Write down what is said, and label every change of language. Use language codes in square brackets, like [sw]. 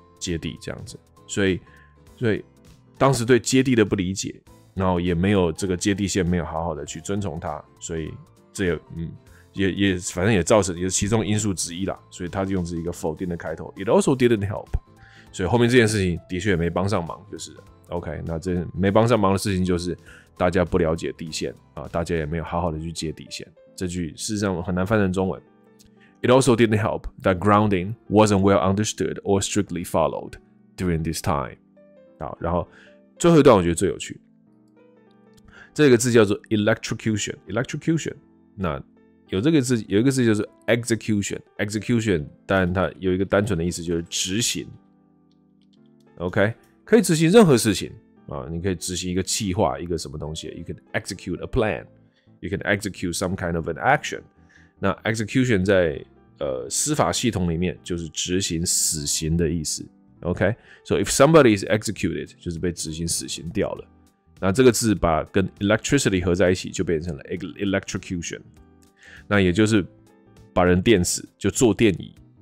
[zh] 接地这样子，所以当时对接地的不理解，然后也没有这个接地线没有好好的去遵从它，所以这也反正也造成也是其中因素之一啦，所以他用这一个否定的开头 ， [en] it also didn't help， [zh] 所以后面这件事情的确也没帮上忙，就是 OK， 那这没帮上忙的事情就是大家不了解地线啊，大家也没有好好的去接地线，这句事实上很难翻成中文。 [en] It also didn't help that grounding wasn't well understood or strictly followed during this time. [zh] 好，然后最后一段我觉得最有趣，这个字叫做 electrocution。 electrocution， 那有这个字，有一个字叫做 execution。 execution， 但它有一个单纯的意思就是执行。 OK， 可以执行任何事情啊，你可以执行一个计划，一个什么东西。 [en] You can execute a plan. You can execute some kind of an action. [zh] 那 execution 在司法系统里面就是执行死刑的意思。 OK， [en] so if somebody is executed， [zh] 就是被执行死刑掉了。那这个字把跟 electricity 合在一起，就变成了 electrocution。那也就是把人电死，就坐电椅。